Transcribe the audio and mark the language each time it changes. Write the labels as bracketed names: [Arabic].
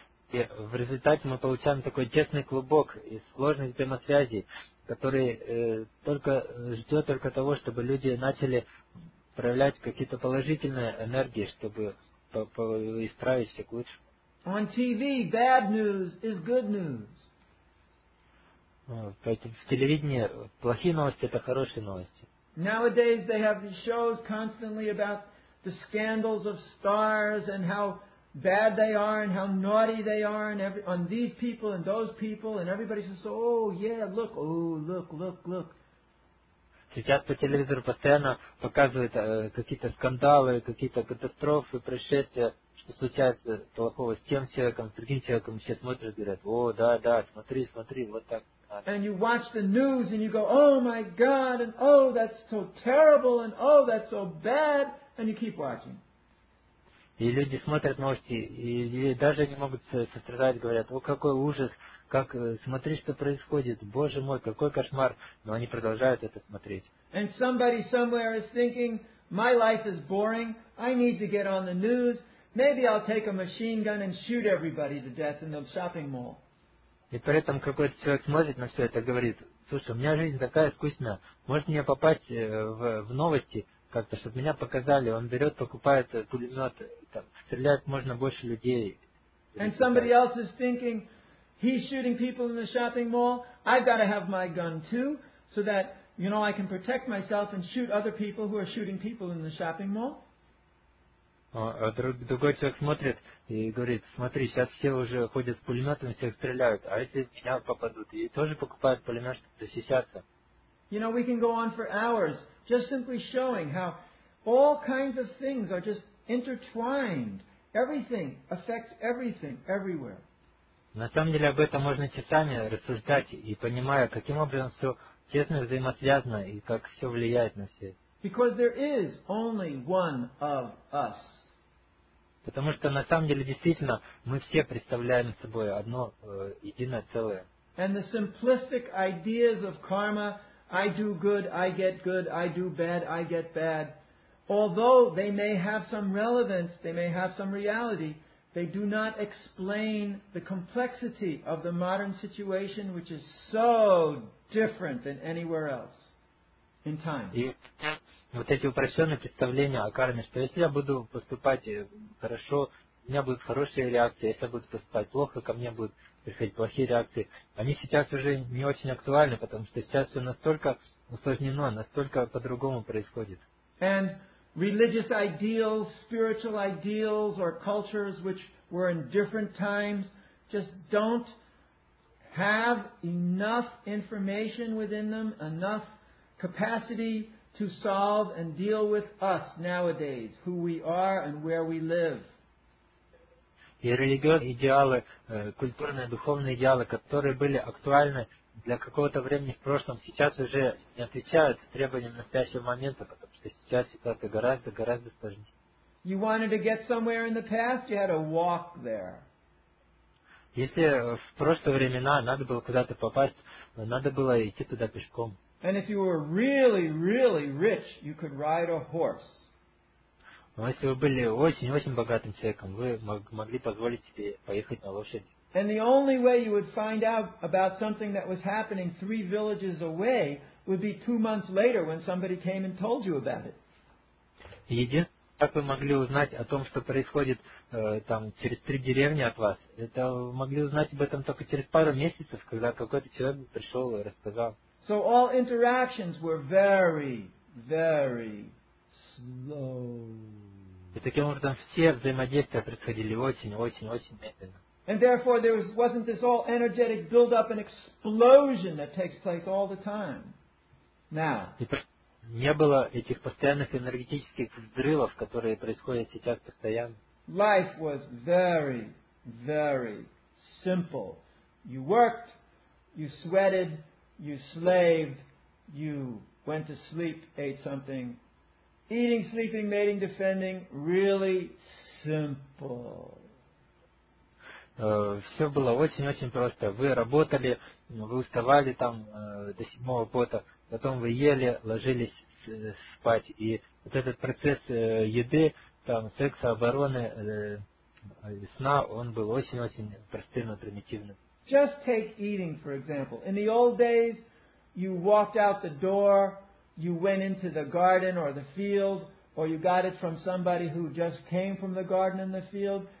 [Russian] И в результате мы получаем такой тесный клубок из сложных взаимосвязей, который ждет только того, чтобы люди начали проявлять какие-то положительные энергии, чтобы исправить все к лучшему. [English] On TV, bad news is good news. [Russian] Поэтому в телевидении плохие новости – это хорошие новости. [English] Nowadays they have shows constantly about the scandals of stars and how bad they are and how naughty they are and on these people and those people, and everybody says, look. [Russian] Сейчас по телевизору постоянно показывают какие-то скандалы, какие-то катастрофы, происшествия, что случается плохого с тем человеком, с другим человеком. Все смотрят, говорят, смотри, вот так. [English] And you watch the news and you go, oh my God, and oh, that's so terrible, and oh, that's so bad, and you keep watching. [Russian] И люди смотрят новости, и даже не могут сострадать, говорят, о, какой ужас, как смотри, что происходит, Боже мой, какой кошмар, но они продолжают это смотреть. [English] And somebody somewhere is thinking, my life is boring, I need to get on the news, maybe I'll take a machine gun and shoot everybody to death in the shopping mall. [Russian] И при этом какой-то человек смотрит на все это и говорит, слушай, у меня жизнь такая скучная, может мне попасть в новости как-то, чтобы меня показали, он берет, покупает пулемет, там, стреляет можно больше людей. [English] And somebody else is thinking, he's shooting people in the shopping mall, I've got to have my gun too, so that, you know, I can protect myself and shoot other people who are shooting people in the shopping mall. [Russian] Другой человек смотрит и говорит, смотри, сейчас все уже ходят с пулеметом, всех стреляют, а если меня попадут, и тоже покупают пулемет, чтобы защищаться. [English] You know, we can go on for hours just simply showing how all kinds of things are just intertwined. Everything affects everything, everywhere. [Russian] На самом деле об этом можно часами рассуждать и понимая, каким образом все тесно взаимосвязано и как все влияет на все. [English] Because there is only one of us. [Russian] Потому что на самом деле действительно мы все представляем собой одно единое целое. [English] And the simplistic ideas of karma, I do good, I get good, I do bad, I get bad. Although they may have some relevance, they may have some reality, they do not explain the complexity of the modern situation, which is so different than anywhere else in time. [Russian] И вот эти упрощенные представления о карме, что если я буду поступать хорошо, у меня будут хорошие реакции, если я буду поступать плохо, ко мне будут приходить плохие реакции, они сейчас уже не очень актуальны, потому что сейчас все настолько усложнено, настолько по-другому происходит. [English] And religious ideals, spiritual ideals or cultures which were in different times just don't have enough information within them, enough capacity to solve and deal with us nowadays, who we are and where we live. [Russian] И религиозные идеалы, культурные, духовные идеалы, которые были актуальны для какого-то времени в прошлом, сейчас уже не отвечают требованиям настоящего момента, потому что сейчас ситуация гораздо, гораздо сложнее. [English] You wanted to get somewhere in the past, you had to walk there. [Russian] Если в прошлые времена надо было куда-то попасть, надо было идти туда пешком. [English] And if you were really, really rich, you could ride a horse. [Russian] Но если вы были очень-очень богатым человеком, вы могли позволить себе поехать на лошади. [English] And the only way you would find out about something that was happening three villages away would be 2 months later when somebody came and told you about it. [Russian] Единственное, как вы могли узнать о том, что происходит там через три деревни от вас, это вы могли узнать об этом только через пару месяцев, когда какой-то человек пришел и рассказал. [English] So all interactions were very, very slow. [Russian] И таким образом все взаимодействия происходили очень-очень-очень медленно. [English] And therefore there wasn't this all energetic build-up and explosion that takes place all the time. Now. [Russian] И не было этих постоянных энергетических взрывов, которые происходят сейчас постоянно. [English] Life was very, very simple. You worked, you sweated, you slaved, you went to sleep, ate something. Eating, sleeping, mating, defending, really simple. [Russian] Все было очень-очень просто. Вы работали, вы уставали там до седьмого пота, потом вы ели, ложились спать. И вот этот процесс еды, там, секса, обороны, сна, он был очень-очень простым и примитивным. [English] Just take eating, for example. In the old days, you walked out the door, you went into the garden or the field, or you got it from somebody who just came from the garden and the field.